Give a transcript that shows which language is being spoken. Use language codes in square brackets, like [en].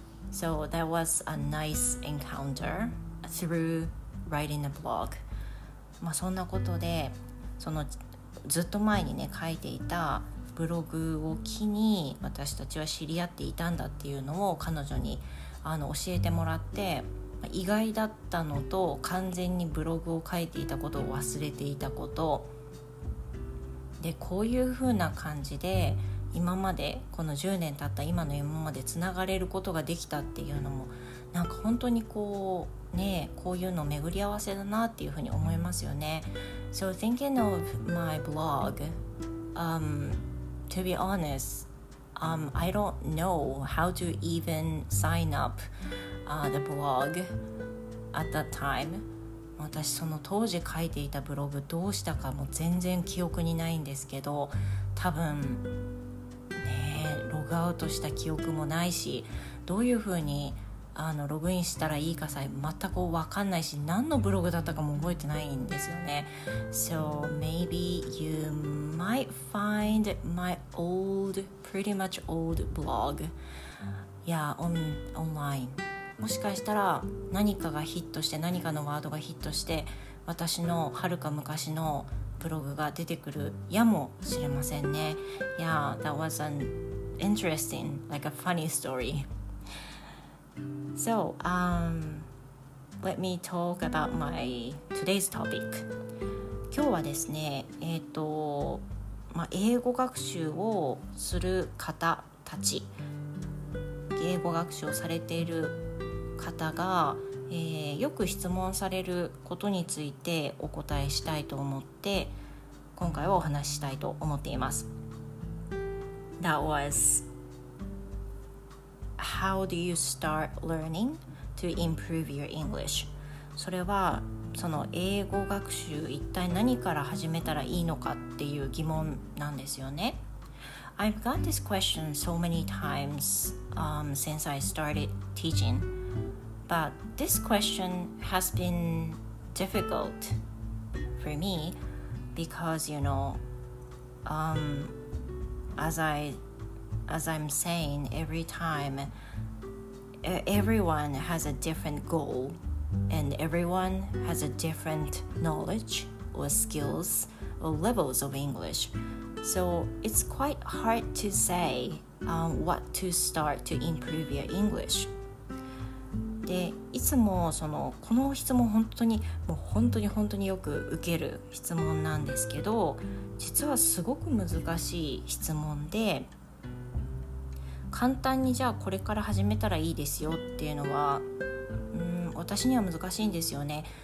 [en] So that was a nice encounter through writing a blog. [ja] まあそんなことで、そのずっと前にね書いていたブログを機に私たちは知り合っていたんだっていうのを彼女に教えてもらって、意外だったのと、完全にブログを書いていたことを忘れていたことで、こういう風な感じで今まで、この10年経った今の今までつながれることができたっていうのも、なんか本当にこうね、こういうの巡り合わせだなっていう風に思いますよね。 [en] So thinking of my blog, to be honestI don't know how to even sign up the blog at that time. [ja] 私その当時書いていたブログどうしたかも全然記憶にないんですけど、多分ね、ログアウトした記憶もないし、どういうふうにログインしたらいいかさえ全く分かんないし、何のブログだったかも覚えてないんですよね。 [en] So maybe you might find my old, pretty much old blog. Yeah, online. [ja] もしかしたら何かがヒットして、何かのワードがヒットして、私のはるか昔のブログが出てくるやもしれませんね。 [en] Yeah, that was an interesting, like a funny story. So, let me talk about my today's topic. [ja] 今日はですね、英語学習をする方たち、英語学習をされている方が、よく質問されることについてお答えしたいと思って、今回はお話ししたいと思っています。 [en] That was... How do you start learning to improve your English? [ja] それはその英語学習一体何から始めたらいいのかっていう疑問なんですよね。 [en] I've got this question so many times since I started teaching, but this question has been difficult for me because, you know, as I'm saying every timeEveryone has a different goal, and everyone has a different knowledge or skills or levels of English. So it's quite hard to say what to start to improve your English. [ja] で、いつもそのこの質問本当にもう本当に本当によく受ける質問なんですけど、実はすごく難しい質問で。簡単にじゃあこれから始めたらいいですよっていうのは、私には難しいんですよね。